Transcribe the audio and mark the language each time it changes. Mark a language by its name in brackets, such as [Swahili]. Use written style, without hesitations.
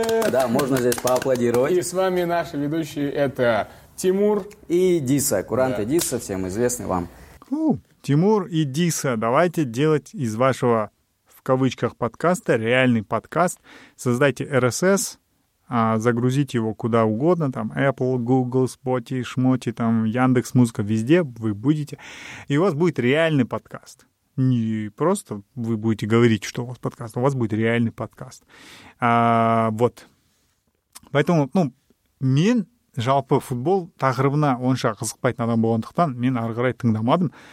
[Russian] Да, можно здесь поаплодировать. И с вами наши ведущие, это Тимур и Диса, куранты, да. Диса, всем известный вам. Тимур и Диса, давайте делать из вашего, в кавычках, подкаста реальный подкаст. Создайте RSS, загрузите его куда угодно, там Apple, Google, Spotify, Шмоти, там Яндекс.Музыка, везде вы будете. И у вас будет реальный подкаст. Не просто вы будете говорить, что у вас подкаст, у вас будет реальный подкаст. Вот. Поэтому, мен... [Kazakh] Жалпы футбол тақырыбына онша қызықпайтын адам болғандықтан мен ары қарай тыңдамадым.